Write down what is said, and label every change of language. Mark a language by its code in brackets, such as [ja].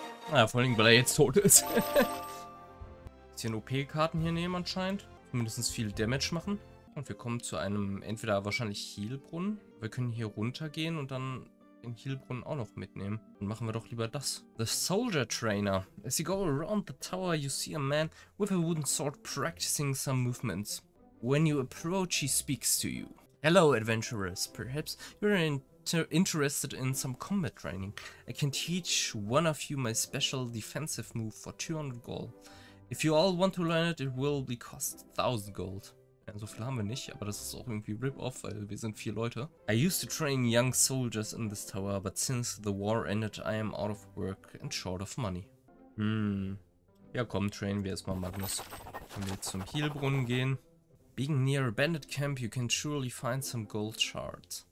[de] Naja, vor allem, weil er jetzt tot ist. Bisschen OP-Karten hier nehmen anscheinend. Mindestens viel Damage machen. Und wir kommen zu einem entweder wahrscheinlich Heal-Brunnen. Wir können hier runtergehen und dann den Heal-Brunnen auch noch mitnehmen. Dann machen wir doch lieber das. [en] The Soldier Trainer. As you go around the tower, you see a man with a wooden sword practicing some movements. When you approach, he speaks to you. Hello, adventurers. Perhaps you're interested in some combat training. I can teach one of you my special defensive move for 200 gold. If you all want to learn it, it will be cost 1000 gold. [de] Ja, so viel haben wir nicht, aber das ist auch irgendwie Rip-Off, weil wir sind vier Leute. [en] I used to train young soldiers in this tower, but since the war ended, I am out of work and short of money. [de] Hm. Ja komm, trainen wir erstmal Magnus. Wenn wir zum Heal-Brunnen gehen. [en] Being near a bandit camp, you can surely find some gold shards.